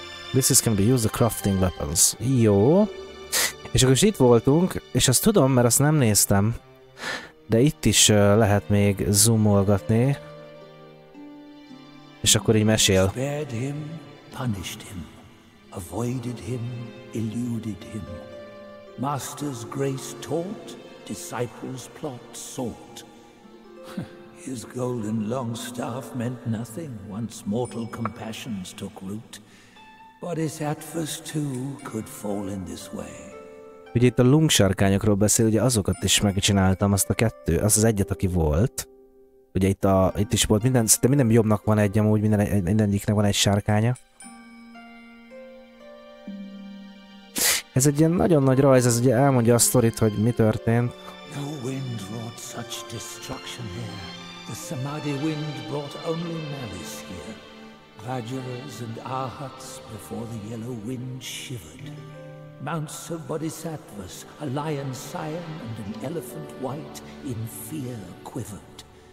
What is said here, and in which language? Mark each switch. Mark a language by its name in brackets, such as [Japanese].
[English] This is can be used the crafting weapons. [Hungarian] Jó. És akkor is itt voltunk, és azt tudom, mert azt nem néztem. De itt is lehet még zoomolgatni. És akkor így mesél. [English] Spared him, punished him. Avoided him, eluded him. Master's grace taught, disciples plot sought. His golden long staff meant nothing once mortal compassions took root. Bodhisattvas too could fall in this way. [Hungarian] Ugye itt a lung sarkányokról beszél, ugye azokat is megcsináltam, azt a kettő, azt az egyet, aki volt. Ugye itt, a, itt is volt minden, szinte minden jobbnak van egy, amúgy minden, mindeniknek van egy sárkánya. Ez egy ilyen nagyon nagy rajz, ez ugye elmondja a sztorit, hogy mi történt. [English] No wind wrought such destruction here. The Samadhi wind brought only malice here. Vajras and Arhats before the yellow wind shivered. Mounts of Bodhisattvas, a lion scion and an elephant white in fear quivered.